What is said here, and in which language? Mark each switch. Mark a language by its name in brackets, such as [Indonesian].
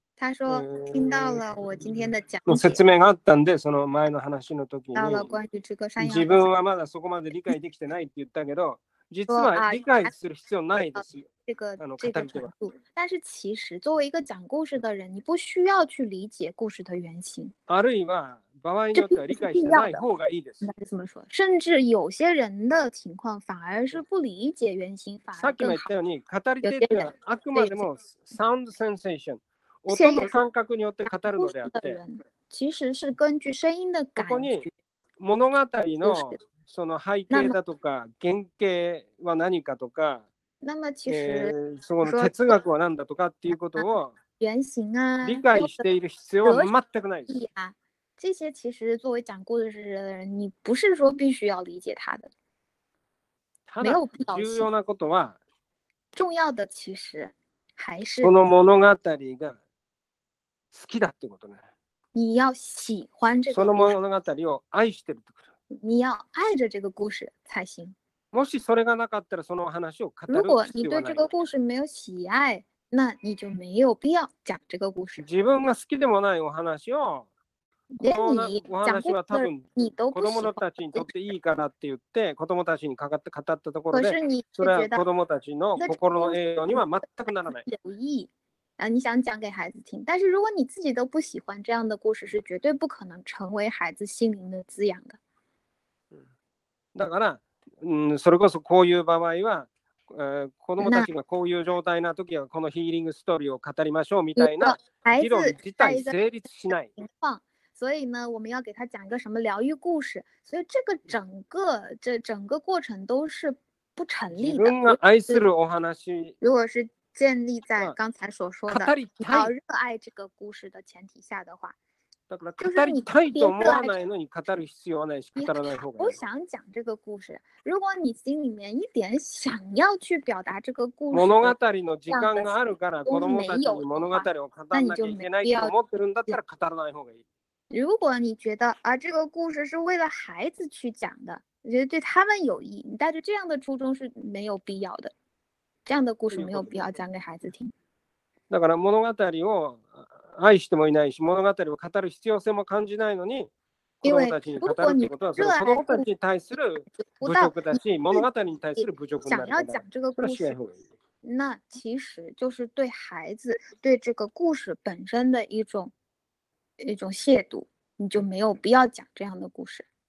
[Chinese] 他说听到了我今天的讲 [Japanese] 解説明があったんでその前の話の時に自分はまだそこまで理解できてないって言ったけど実は理解する必要ないですよ。 [Chinese] 这个程度，但是其实作为一个讲故事的人，你不需要去理解故事的原型。 [Japanese] あるいは場合によっては理解してない方がいいです。 [Chinese] 应该是这么说。甚至有些人的情况反而是不理解原型反而更好。 [Japanese] さっきも言ったように語り手ではあくまでもサウンドセンセーション、音の感覚によって語るのであって、 [Chinese] 其实是根据声音的感觉。 [Japanese] ここに物語のその背景だとか原型は何かとか。 [Chinese] 那么其实说的哲学 [Japanese] は何だとかっていうことを [Chinese] 原型啊 [Japanese] 理解している必要は全くないです。 [Chinese] 这些其实作为讲故事的人你不是说必须要理解他的。 [Japanese] ただ重要なことは [Chinese] 重要的其实还是 [Japanese] この物語が好きだってことね。 [Chinese] 你要喜欢这 [Japanese] 个その物語を愛してるってこと。 [Chinese] 你要爱着这个故事才行。 [Japanese] もしそれがなかったらその話を語る必要はない。 [Chinese] 如果你对这个故事没有喜爱，那你就没有必要讲这个故事。 [Japanese] 自分が好きでもないお話を、お話は多分子供たちにとっていいからって言って子供たちにかかって語ったところで、それは子供たちの心の栄養には全くならない。 [Chinese] 有意义，啊，你想讲给孩子听，但是如果你自己都不喜欢这样的故事，是绝对不可能成为孩子心灵的滋养的。 [Japanese] だから。それこそこういう場合は、子供たちがこういう状態な時はこのヒーリングストーリーを語りましょうみたいな議論自体成立しない。 [Chinese] 所以呢，我们要给他讲一个什么疗愈故事，所以这个整个这整个过程都是不成立的。 [Japanese] 自分が愛するお話、 [Chinese] 如果是建立在刚才所说的你要热爱这个故事的前提下的话。 [Japanese] だから語りたいと思わないのに語る必要はないし語らない方がいい。 [Chinese] 我想讲这个故事。如果你心里面一点想要去表达这个故事， [Japanese] 物語の時間があるから子供たちに物語を語らなきゃいけないと思ってるんだったら語らない方がいい。 [Chinese] 如果你觉得啊这个故事是为了孩子去讲的，你觉得对他们有益，你带着这样的初衷是没有必要的。这样的故事没有必要讲给孩子听。 [Japanese] だから物語を。愛してもいないし物語を語る必要性も感じないのに子供たちに語るってことは子供たちに対する侮辱だし物語に対する侮辱になるから。これはしない方がいい。 [Chinese] 那其实就是对孩子对这个故事本身的一种亵渎，你就没有必要讲这样的故事。